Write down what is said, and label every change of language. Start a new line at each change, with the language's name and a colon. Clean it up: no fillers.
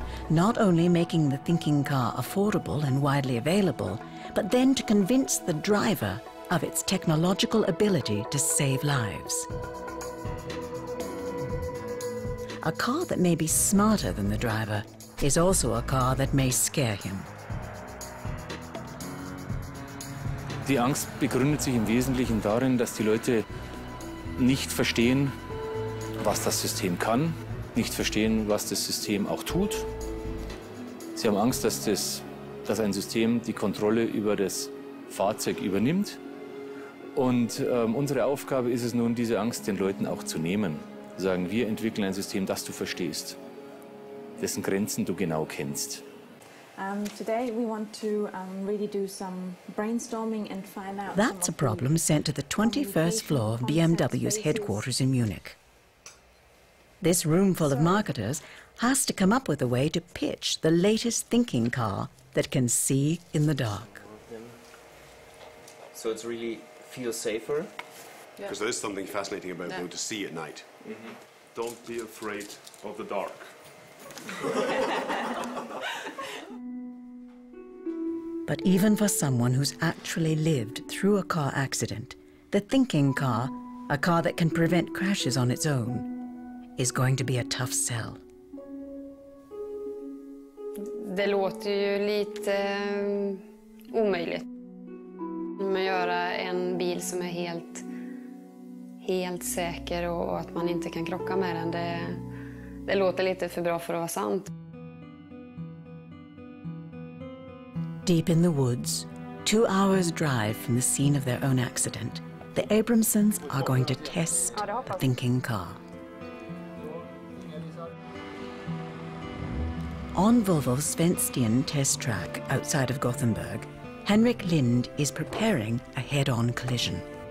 English: Not only making the thinking car affordable and widely available, but then to convince the driver of its technological ability to save lives. A car that may be smarter than the driver is also a car that may scare him.
German: Die Angst begründet sich im Wesentlichen darin, dass die Leute nicht verstehen, was das System kann, nicht verstehen, was das System auch tut. Sie haben Angst, dass ein System die Kontrolle über das Fahrzeug übernimmt. Und unsere Aufgabe ist es nun, diese Angst den Leuten auch zu nehmen. Sagen, wir entwickeln ein System, das du verstehst, dessen Grenzen du genau kennst.
English: Today we want to really do some brainstorming and find out. That's a problem sent to the 21st floor of BMW's headquarters in Munich. This room full of marketers has to come up with a way to pitch the latest thinking car that can see in the dark. So it's really feels safer. Because there is something fascinating about being able to see at night. Mm-hmm. Don't be afraid of the dark. But even for someone who's actually lived through a car accident, the thinking car, a car that can prevent crashes on its own, is going to be a tough sell.
Swedish: Det låter ju lite omöjligt. Man gör en bil som är helt säker och att man inte kan krocka med den. Det låter lite för bra för att vara sant.
English: Deep in the woods, 2 hours drive from the scene of their own accident, the Abramsons are going to test the thinking car. On Volvo's Svenstien test track outside of Gothenburg, Henrik Lind is preparing a head-on collision.